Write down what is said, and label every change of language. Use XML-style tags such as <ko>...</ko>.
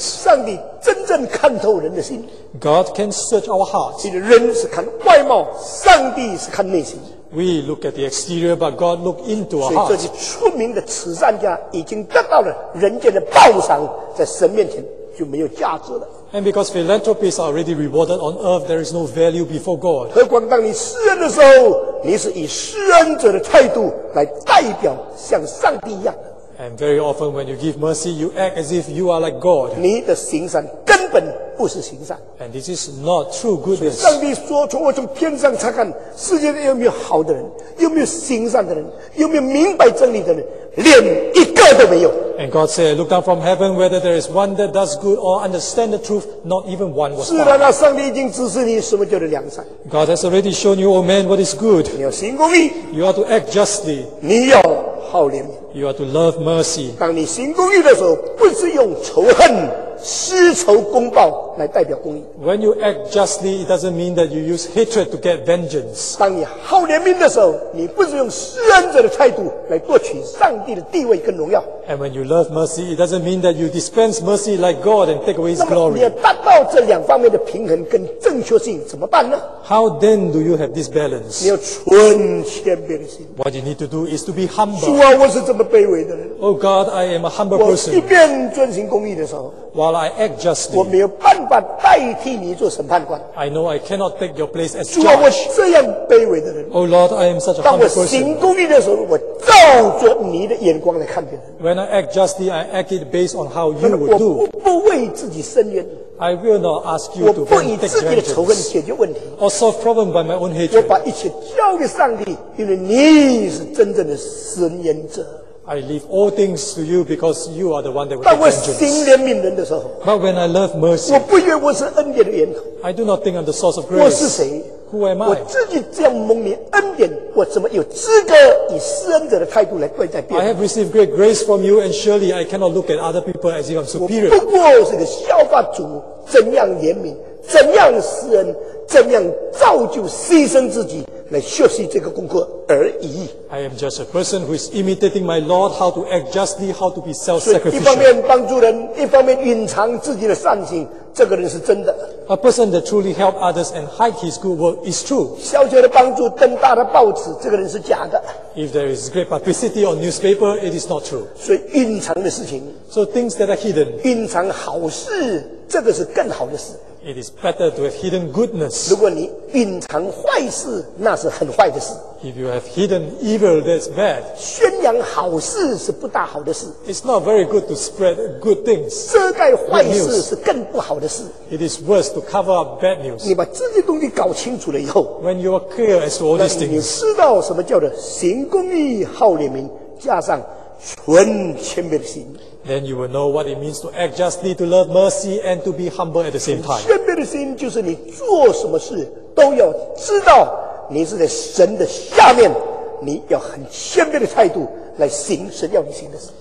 <zh>上帝真正看透人的心。</zh> <en>God can search our hearts.</en> <zh>其实人是看外貌，上帝是看内心。</zh> <en>We look at the exterior, but God look into our hearts.</en> <zh>所以这些出名的慈善家已经得到了人间的报偿，在神面前就没有价值了。</zh> <en>And because philanthropists are already rewarded on earth, there is no value before God.</en> <zh>何况当你施恩的时候，你是以施恩者的态度来代表像上帝一样。</zh> <en>And very often when you give mercy, you act as if you are like God.</en> <zh>你的行善根本不是行善。</zh> <en>And this is not true goodness.</en> <zh>上帝说，从我从天上查看，世界上有没有好的人，有没有行善的人，有没有明白真理的人，连一个都没有。</zh> <en>And God said, look down from heaven, whether there is one that does good or understand the truth, not even one was found.</en> <zh>是的，上帝已经指示你什么叫做良善。</zh> <en>God has already shown you, O man, what is good.</en> <zh>你要行公义。</zh> <en>You are to act justly.</en> <zh>你要好怜悯。</zh> <en>You are to love mercy.</en> <zh>当你行公义的时候，不是用仇恨、私仇、公报来代表公义。</zh> <en>When you act justly, it doesn't mean that you use hatred to get vengeance.</en> <zh>当你好怜悯的时候，你不是用施恩者的态度来夺取上帝的地位跟荣耀。</zh> <en>And when you love mercy, it doesn't mean that you dispense mercy like God and take away His glory.</en> <zh>那么你要达到这两方面的平衡跟正确性怎么办呢？</zh> <en>How then do you have this balance?</en> <zh>你要存谦卑的心。</zh> <en>What you need to do is to be humble.</en> <zh>主啊，我是这么卑微的人。</zh> <en>Oh God, I am a humble person.</en> <zh>我一边遵行公义的时候。</zh> <en>While I act justly,</en> <zh>我没有办法代替你做审判官。</zh> <en>I know I cannot take your place as judge.</en> <zh>主啊，我是这样卑微的人。</zh> <en>Oh Lord, I am such a humble person.</en> <zh>当我行公义的时候，我照着你的眼光来看别人。</zh> <en>When I act justly, I act it based on how you would do.</en> <zh>我不为自己伸冤。</zh> <en>I will not ask you to take vengeance.</en> <zh>我不以自己的仇恨解决问题。</zh> <en>Or solve problem by my own hatred.</en> <zh>我把一切交给上帝，因为你是真正的施恩者。</zh> <en>I leave all things to you because you are the one that will take vengeance.</en> <zh>当我心怜悯人的时候，</zh> <en>But when I love mercy,</en> <zh>我不以为我是恩典的源头。</zh> <en>I do not think I'm the source of grace.</en> <zh>我是谁？</zh> <en>Who am I?</en> <zh>我自己这样蒙你恩典，我怎么有资格以施恩者的态度来对待别人？</zh> <en>I have received great grace from you, and surely I cannot look at other people as if I'm superior.</en> <zh>我不过是个效法主，怎样怜悯，怎样施恩，怎样造就牺牲自己来学习这个功课而已。</zh> <en>I am just a person who is imitating my Lord, how to act justly, how to be self-sacrificial.</en> <zh>一方面帮助人，一方面隐藏自己的善行。这个人是真的。</zh> <en>A person that truly helps others and hides his good work is true.</en> <zh>小小的帮助登大的报纸，这个人是假的。</zh> <en>If there is great publicity on newspaper, it is not true.</en> <zh>所以隐藏的事情。</zh> <en>So things that are hidden.</en> <zh>隐藏好事，这个是更好的事。</zh> <en>It is better to have hidden goodness.</en> <zh>如果你隐藏坏事，那是很坏的事。</zh> <en>If you have hidden evil, that's bad.</en> <zh>宣扬好事是不大好的事。</zh> <en>It's not very good to spread good things.</en> <zh>遮盖坏事是更不好的事。</zh> <en>It is worse to cover up bad news.</en> <zh>你把这些东西搞清楚了以后，</zh> <en>When you are clear as to all these things,</en> <zh>那你知道什么叫做行公义、好怜悯，加上纯谦卑的心。</zh> <en>Then you will know what it means to act justly, to love mercy, and to be humble at the same time.</en> <zh>谦卑的心就是你做什么事都要知道你是在神的下面，你要很谦卑的态度来行神要你行的事。</zh>